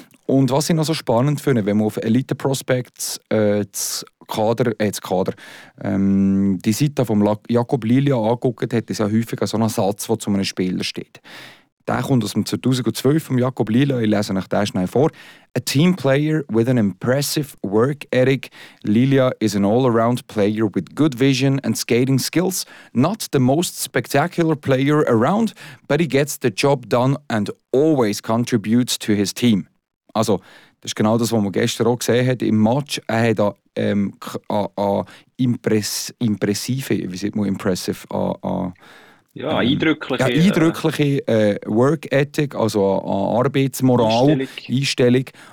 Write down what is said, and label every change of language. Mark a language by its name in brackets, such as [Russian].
[German] Und was ich noch so spannend finde, wenn man auf Elite-Prospects die Seite von Jakob Lilja anguckt, hat es ja häufig so einen Satz, der zu einem Spieler steht. Der kommt aus dem 2012 von Jakob Lilja. Ich lese euch den schnell vor. [English] A team player with an impressive work ethic. Lilja is an all-around player with good vision and skating skills. Not the most spectacular player around, but he gets the job done and always contributes to his team. [German] Also, das ist genau das, was man gestern auch gesehen hat im Match. Er hat an eindrückliche Work Ethic, also Arbeitsmoral, Einstellung.